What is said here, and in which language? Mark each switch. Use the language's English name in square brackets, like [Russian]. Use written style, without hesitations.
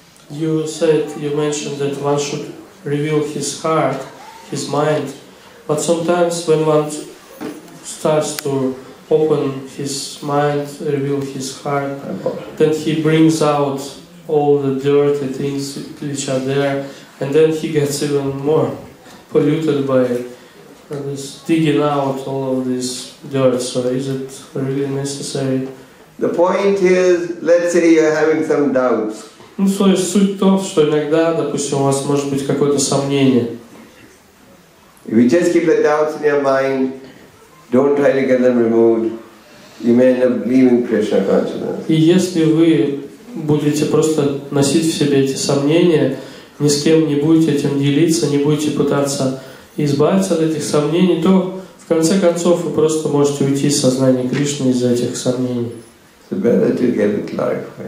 [English] You said, you mentioned that one should reveal his heart, his mind, but sometimes when one starts to open his mind, reveal his heart, then he brings out all the dirty things which are there, and then he gets even more polluted by it. This digging out all of this dirt, so is it really necessary? The point is, let's say you're having some doubts. [Russian] Ну, то есть суть то, что иногда, допустим, у вас может быть какое-то сомнение. [English] If you just keep the doubts in your mind, don't try to get them removed, you may end up leaving Krishna consciousness. [Russian] И если вы будете просто носить в себе эти сомнения, ни с кем не будете этим делиться, не будете пытаться избавиться от этих сомнений, то в конце концов вы просто можете уйти из сознания Кришны из-за этих сомнений. [English] So better to get it clarified.